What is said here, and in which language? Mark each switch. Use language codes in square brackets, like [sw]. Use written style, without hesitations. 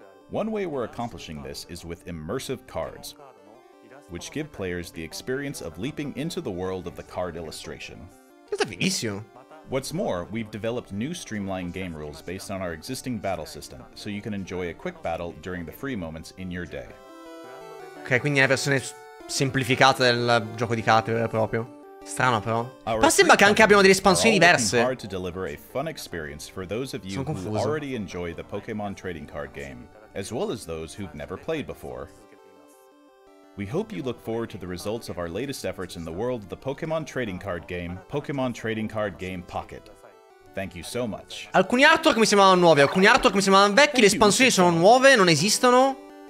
[en] One way we're accomplishing this is with immersive cards, which give players the experience of leaping into the world of the card illustration. That's fighissimo. What's more, we've developed new streamlined game rules based on our existing battle system, so you can enjoy a quick battle during the free moments in your day. [it] Okay, quindi è la versione semplificata del gioco di carte vero e proprio. Strano però. Ma sembra che anche abbiamo delle espansioni diverse. [en] Hard to deliver a fun experience for those of you who already enjoy the Pokémon Trading Card Game, as well as those who've never played before. We hope you look forward to the results of our latest efforts in the world of the Pokémon Trading Card Game, Pokémon Trading Card Game Pocket. Thank you so much. [it] Alcuni artwork mi sembravano nuovi, alcuni artwork mi sembravano vecchi, le espansioni sono nuove, non esistono.